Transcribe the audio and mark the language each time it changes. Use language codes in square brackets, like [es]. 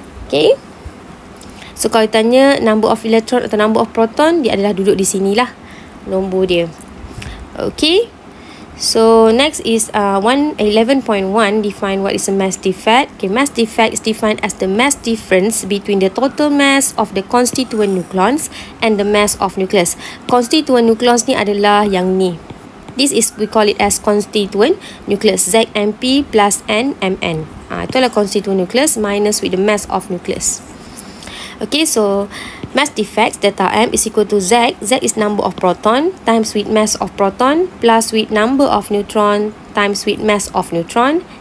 [ms] Okay, so kalau tanya number of electron atau number of proton, dia adalah duduk di sinilah nombor dia. [en] Okay, so next is 11.1 define what is a mass defect. Okay, mass defect is defined as the mass difference between the total mass of the constituent nucleons and the mass of nucleus. [ms] Constituent nucleons ni adalah yang ni. [en] This is, we call it as constituent nucleus, ZMP plus NMN. Itulah constituent nucleus minus with the mass of nucleus. Okay, so mass defects, delta M is equal to Z. Z is number of proton times with mass of proton plus with number of neutron times with mass of neutron.